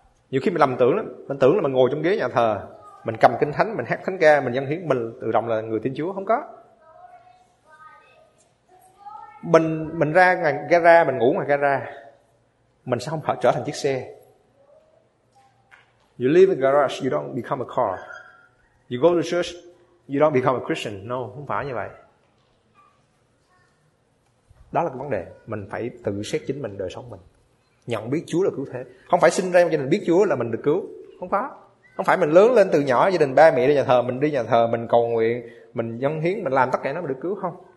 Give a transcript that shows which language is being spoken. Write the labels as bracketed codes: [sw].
[vi] Nhiều khi mình lầm tưởng lắm, mình tưởng là mình ngồi trong ghế nhà thờ, mình cầm kinh thánh, mình hát thánh ca, mình dâng hiến, mình tự động là người tin Chúa. Không có. Mình ra ngoài gara, mình ngủ ngoài gara, mình sẽ không phải trở thành chiếc xe. [en] You leave the garage, you don't become a car. You go to church, you don't become a Christian. [vi] No, không phải như vậy. Đó là cái vấn đề. Mình phải tự xét chính mình, đời sống mình. Nhận biết Chúa là cứu thế. Không phải sinh ra cho mình biết Chúa là mình được cứu. Không phải. Không phải mình lớn lên từ nhỏ, gia đình ba mẹ đi nhà thờ, mình đi nhà thờ, mình cầu nguyện, mình dâng hiến, mình làm tất cả nó mình được cứu. Không.